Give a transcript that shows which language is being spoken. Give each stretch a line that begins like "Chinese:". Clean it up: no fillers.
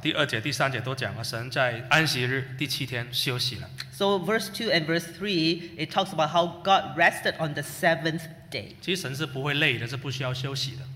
Chinese: 第二节、第三节都讲了，神在安息日第七天休息了。
English: So verse 2 and verse 3, it talks about how God rested on the seventh day.
Chinese: 其实神是不会累的，是不需要休息的。